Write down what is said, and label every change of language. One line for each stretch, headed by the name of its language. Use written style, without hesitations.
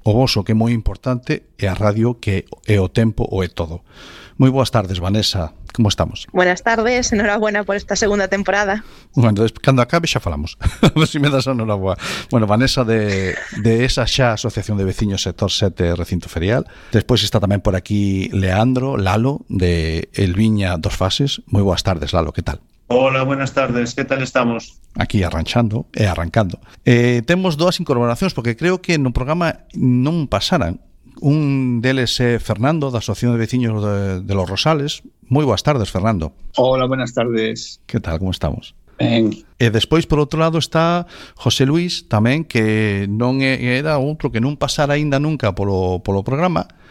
Galician: O voso, que é moi importante, é a radio, que é o tempo, o é todo. Moi boas tardes, Vanessa, como estamos?
Spanish: Buenas tardes, enhorabuena por esta segunda temporada.
Galician: Bueno, cando acabe xa falamos, a ver se me das a enhorabuena. Bueno, Vanessa, de esa xa Asociación de Veciños Sector 7 Recinto Ferial. Despois está tamén por aquí Leandro, Lalo, de El Viña Dos Fases. Moi boas tardes, Lalo, que tal?
Spanish: Hola, buenas tardes, ¿qué tal estamos?
Galician: Aquí arranchando e arrancando. Temos dúas incorporacións, porque creo que no programa non pasaran. Un deles é Fernando, da Asociación de Veciños de Los Rosales. Moi boas tardes, Fernando.
Spanish: Hola, buenas tardes. ¿Qué tal, cómo estamos?
Galician: Ben. E despois, por outro lado, está José Luis, tamén, que non era outro que non pasara aínda nunca polo programa.